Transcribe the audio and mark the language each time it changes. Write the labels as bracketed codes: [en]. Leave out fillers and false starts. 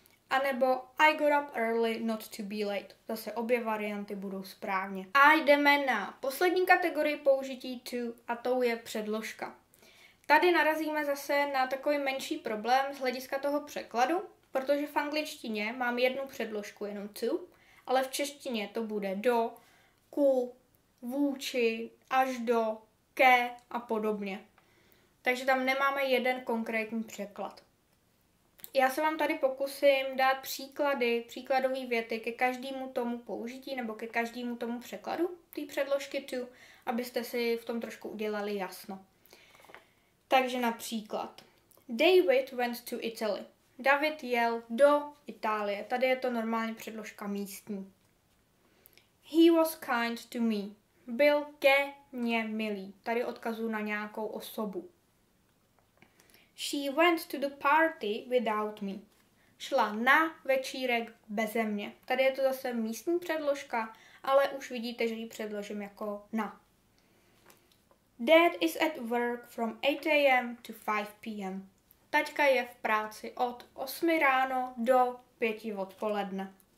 [cs] A nebo [en] I got up early not to be late. [cs] Zase obě varianty budou správně. A jdeme na poslední kategorii použití to a tou je předložka. Tady narazíme zase na takový menší problém z hlediska toho překladu, protože v angličtině mám jednu předložku jenom to, ale v češtině to bude do, ku, vůči, až do, ke a podobně. Takže tam nemáme jeden konkrétní překlad. Já se vám tady pokusím dát příklady, příkladové věty ke každému tomu použití nebo ke každému tomu překladu té předložky to, abyste si v tom trošku udělali jasno. Takže například. [en] David went to Italy. [cs] David jel do Itálie. Tady je to normálně předložka místní. [en] He was kind to me. [cs] Byl ke mně milý. Tady odkazuju na nějakou osobu. [en] She went to the party without me. [cs] Šla na večírek beze mě. Tady je to zase místní předložka, ale už vidíte, že ji předložím jako na. [en] Dad is at work from 8 a.m. to 5 p.m. [cs] Taťka je v práci od 8 ráno do 5 odpoledne.